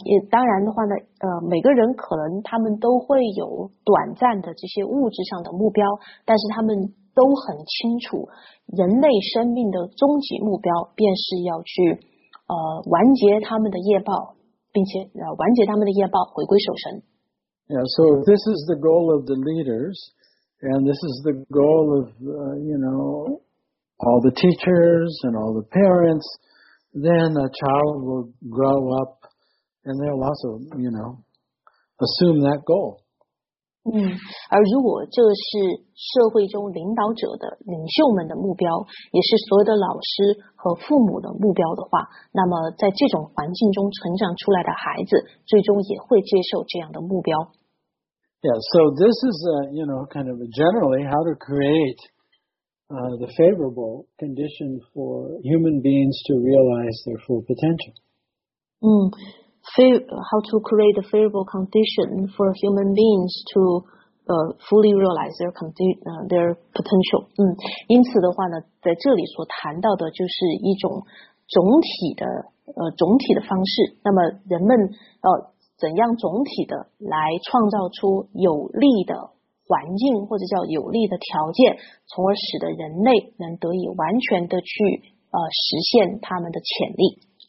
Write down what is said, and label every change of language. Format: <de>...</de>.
<zh>当然的话呢，每个人可能他们都会有短暂的这些物质上的目标，但是他们都很清楚，人类生命的终极目标便是要去完结他们的业报，并且完结他们的业报，回归守神。</zh> <en>Yeah, so if this is the goal of the leaders, and this is the goal of, you know, all the teachers and all the parents, then a child will grow up and they'll also, you know, assume that goal.</en> <zh>而如果这是社会中领导者的领袖们的目标，也是所有的老师和父母的目标的话，那么在这种环境中成长出来的孩子最终也会接受这样的目标。</zh> <en>Yeah, so this is a, you know, kind of a generally how to create the favorable condition for human beings to realize their full potential. How to create a favorable condition for human beings to fully realize their potential.</en> <zh>因此的话呢，在这里所谈到的就是一种总体的方式。那么人们怎样总体的来创造出有利的环境或者叫有利的条件，从而使得人类能得以完全的去实现他们的潜力。</zh>